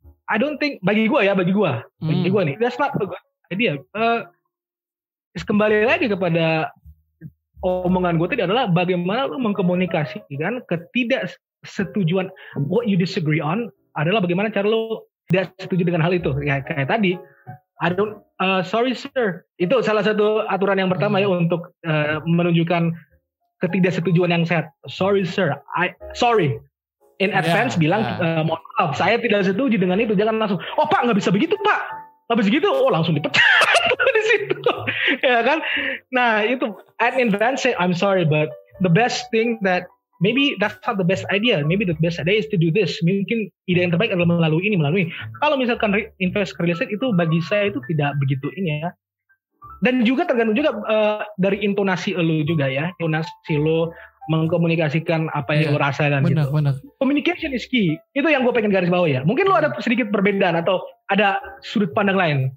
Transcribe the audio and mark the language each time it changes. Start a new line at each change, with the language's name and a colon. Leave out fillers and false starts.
English: I don't think,
Indonesian: bagi gue nih,
English: that's not a good idea.
Indonesian: Kembali lagi kepada omongan gue tadi adalah bagaimana lo mengkomunikasikan ketidaksetujuan,
English: what you disagree on,
Indonesian: adalah bagaimana cara lo tidak setuju dengan hal itu. Ya, kayak tadi,
English: sorry sir,
Indonesian: itu salah satu aturan yang pertama ya untuk menunjukkan ketidaksetujuan yang sehat.
English: Sorry sir,
Indonesian: mohon maaf, saya tidak setuju dengan itu. Jangan langsung, oh pak nggak bisa begitu pak, nggak bisa gitu, oh langsung dipecat di situ, ya kan? Nah itu,
English: and in advance say I'm sorry, but the best thing that maybe that's not the best idea, maybe the best idea is to do this.
Indonesian: Mungkin ide yang terbaik adalah melalui ini. Kalau misalkan invest ke real estate itu bagi saya itu tidak begitu ini ya. Dan juga tergantung juga dari intonasi lu juga ya. Intonasi lu mengkomunikasikan apa yang lu rasa dan benar, Benar.
English: Communication is key.
Indonesian: Itu yang gue pengen garis bawah ya. Mungkin lu ada sedikit perbedaan atau ada sudut pandang lain.